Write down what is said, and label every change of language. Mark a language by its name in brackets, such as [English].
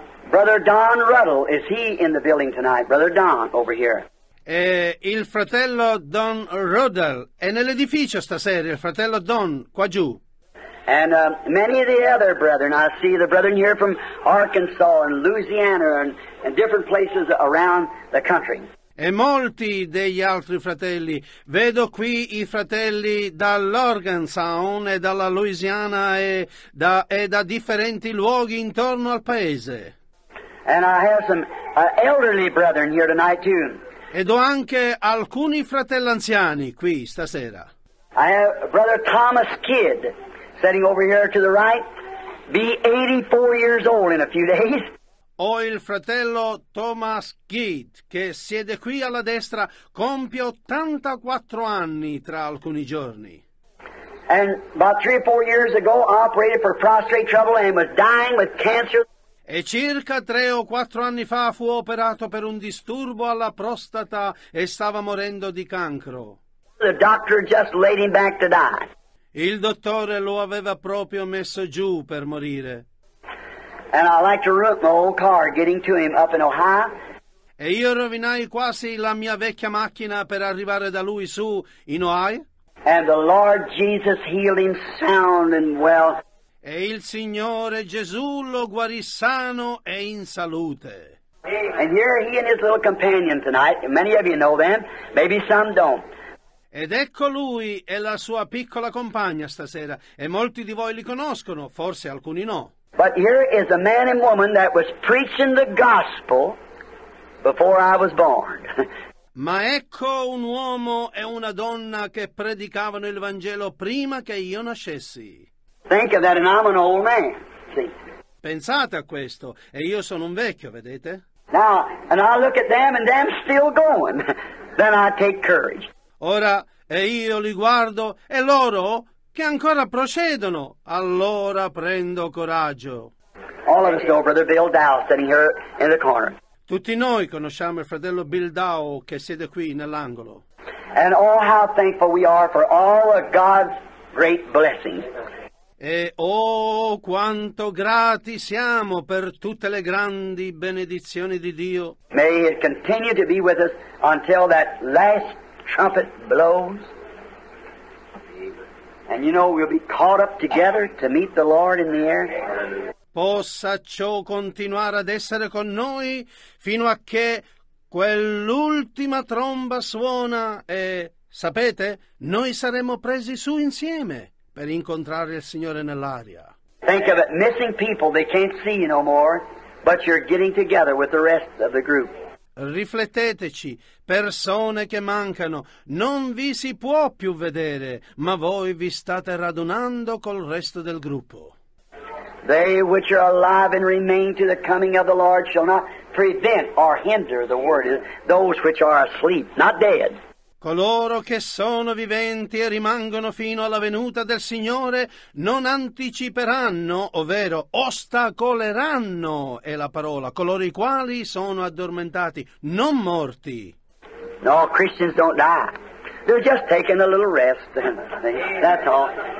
[English] Brother Don Ruddle, is he in the building tonight? Brother Don, over here. [Italian] Il fratello Don Ruddle è nell'edificio stasera, il fratello Don, qua giù. [English] And many of the other brethren, I see the brethren here from Arkansas and Louisiana and different places around the country. [Italian] E molti degli altri fratelli, vedo qui i fratelli dall'Arkansas e dalla Louisiana e da differenti luoghi intorno al paese. [English] And I have some elderly brethren here tonight too. [Italian] Ed ho anche alcuni fratelli anziani qui stasera. [English] I have Brother Thomas Kidd sitting over here to the right. Be 84 years old in a few days. [Italian] Ho il fratello Thomas Kidd che siede qui alla destra, compie 84 anni tra alcuni giorni. [English] And about 3 or 4 years ago operated for prostate trouble and was dying with cancer. [Italian] E circa 3 o 4 anni fa fu operato per un disturbo alla prostata e stava morendo di cancro. [English] The doctor just laid him back to die. [Italian] Il dottore lo aveva proprio messo giù per morire. [English] And I like to ruin my old car getting to him up in Ohio. [Italian] E io rovinai quasi la mia vecchia macchina per arrivare da lui su in Ohio. [English] And the Lord Jesus healed him sound and well. [Italian] E il Signore Gesù lo guarì sano e in salute. [English] And here he and his little companion tonight. Many of you know them, maybe some don't. [Italian] Ed ecco lui e la sua piccola compagna stasera. E molti di voi li conoscono, forse alcuni no. [English] But here is a man and woman that was preaching the gospel before I was born. [Italian] Ma ecco un uomo e una donna che predicavano il Vangelo prima che io nascessi. [English] Think of that, and I'm an old man. See. [Italian] Pensate a questo, e io sono un vecchio, vedete? [English] Now, and I look at them, and them still going. Then I take courage. [Italian] Ora, e io li guardo, e loro che ancora procedono, allora prendo coraggio. [English] All of us know Brother Bill Dow sitting here in the corner. [Italian] Tutti noi conosciamo il fratello Bill Dow che siede qui nell'angolo. [English] And oh, how thankful we are for all of God's great blessings. [Italian] E oh, quanto grati siamo per tutte le grandi benedizioni di Dio. [English] May it continue to be with us until that last trumpet blows. And you know we'll be caught up together to meet the Lord in the air. [Italian] Possa ciò continuare ad essere con noi fino a che quell'ultima tromba suona e, sapete, noi saremo presi su insieme. Per incontrare il Signore nell'aria. [English] Think of it, missing people, they can't see you no more, but you're getting together with the rest of the group. [Italian] Rifletteteci, persone che mancano, non vi si può più vedere, ma voi vi state radunando col resto del gruppo. [English] They which are alive and remain to the coming of the Lord shall not prevent or hinder the word, those which are asleep, not dead. [Italian] Coloro che sono viventi e rimangono fino alla venuta del Signore non anticiperanno, ovvero ostacoleranno, è la parola, coloro i quali sono addormentati, non morti. [English] No, Christians don't die. They're just taking a little rest. That's all.